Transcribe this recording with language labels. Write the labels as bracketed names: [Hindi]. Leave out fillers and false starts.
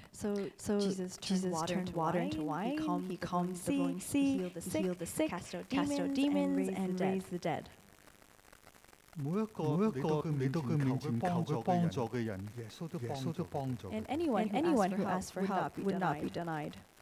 [English] So Jesus turned water into wine, he calmed the blowing sea, healed the sick, cast out demons, and raised the dead. [Chinese] 每一個來到他面前求他幫助的人，耶穌都幫助。 [English] And anyone who asks for help would not be denied.